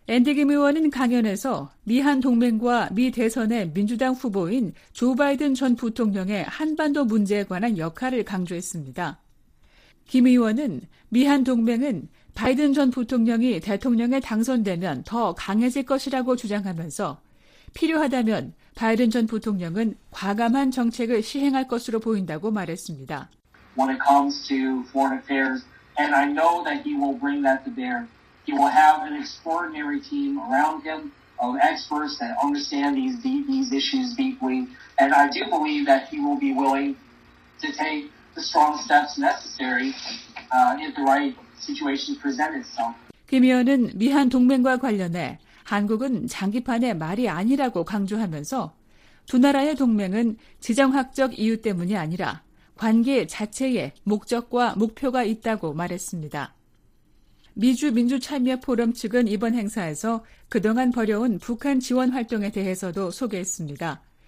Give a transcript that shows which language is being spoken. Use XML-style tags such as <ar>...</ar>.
<ko>앤디 김 의원은 강연에서 미한 동맹과 미 대선의 민주당 후보인 조 바이든 전 부통령의 한반도 문제에 관한 역할을 강조했습니다. 김 의원은 미한 동맹은 바이든 전 부통령이 대통령에 당선되면 더 강해질 것이라고 주장하면서 필요하다면 바이든 전 부통령은 과감한 정책을 시행할 것으로 보인다고 말했습니다.</ko> <en>When it comes to foreign affairs, and I know that he will bring that to bear. He will have an extraordinary team around him of experts that understand these issues deeply, and I do believe that he will be willing to take the strong steps necessary if the right situation presents itself.</en> <ko>김 의원은 미한 동맹과 관련해 한국은 장기판의 말이 아니라고 강조하면서 두 나라의 동맹은 지정학적 이유 때문이 아니라 관계 자체에 목적과 목표가 있다고 말했습니다. 미주 민주참여포럼 측은 이번 행사에서 그동안 벌여온 북한 지원 활동에 대해서도 소개했습니다.</ko>